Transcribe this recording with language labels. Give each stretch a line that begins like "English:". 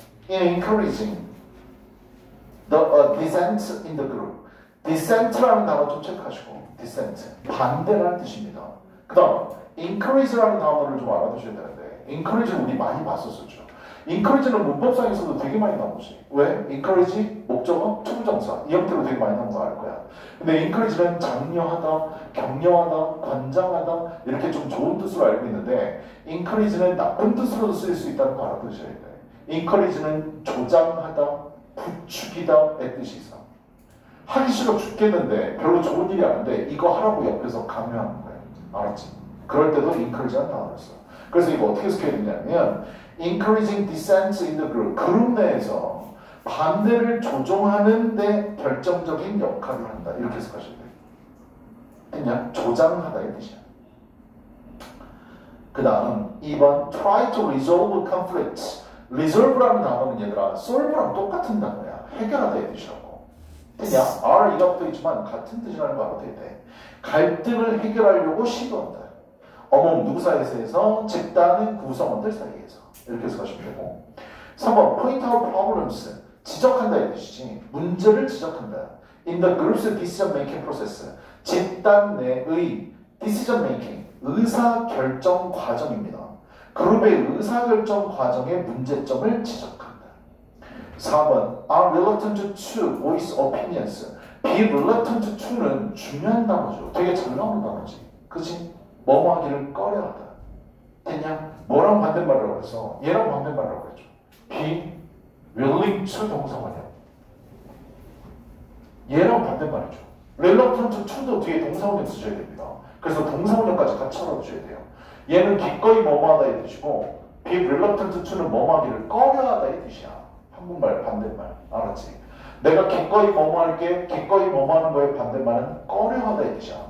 English: In encouraging the dissent in the group.
Korean: Dissent라는 단어 좀 체크하시고 dissent 반대라는 뜻입니다. 그 다음 encourage라는 단어를 좀 알아두셔야 되는데 encourage는 우리 많이 봤었었죠. encourage는 문법상에서도 되게 많이 나오지. 왜? encourage, 목적어, 충정사 이 형태로 되게 많이 나온 거 알 거야. 근데 encourage는 장려하다, 격려하다, 권장하다 이렇게 좀 좋은 뜻으로 알고 있는데 encourage는 나쁜 뜻으로도 쓰일 수 있다는 거 알아두셔야 돼. encourage는 조장하다, 부추기다 의 뜻이 있어. 하기 싫어 죽겠는데 별로 좋은 일이 안 돼. 이거 하라고 옆에서 강요하는 거야. 알았지? 그럴 때도 encourage한 단어를 써. 그래서 이거 어떻게 해석해야 되냐면
English: encouraging dissent in the group.
Korean: 그룹 내에서 반대를 조정하는 데 결정적인 역할을 한다. 이렇게 해석하셔야 돼. 그냥 조장하다의 뜻이야. 그 다음 2번
English: try to resolve conflicts.
Korean: resolve라는 단어는 얘들아 solve랑 똑같은 단어야. 해결하다의 뜻이라고. 그냥 R 이라고도 있지만 같은 뜻이라는 거 알아도 돼. 갈등을 해결하려고 시도한다. 어머 누구 사이에서 집단의 구성원들 사이에서 이렇게 쓰시면 되고. 3번
English: point out problems
Korean: 지적한다 이 뜻이지. 문제를 지적한다.
English: In the group's decision making process
Korean: 집단 내의
English: decision making
Korean: 의사 결정 과정입니다. 그룹의 의사 결정 과정의 문제점을 지적한다.
English: 4번 I'm reluctant to voice opinions.
Korean: Be reluctant to는 중요한 단어죠. 되게 잘 나오는 단어지. 그치? 뭐뭐 하기를 꺼려하다. 됐냐? 뭐랑 반대말이라고 그랬어? 얘랑 반대말이라고 그랬죠. Be willing to 동사원형. 얘랑 반대말이죠. Reluctant to도 뒤에 동사원형 쓰셔야 됩니다. 그래서 동사원형까지 같이 알아주셔야 돼요. 얘는 기꺼이 뭐뭐 하다의 뜻이고 Be reluctant to는 뭐뭐 하기를 꺼려하다의 뜻이야. 한국말 반대말. 알았지? 내가 기꺼이 뭐뭐 할게, 기꺼이 뭐뭐 하는 거에 반대말은 꺼려하다의 뜻이야.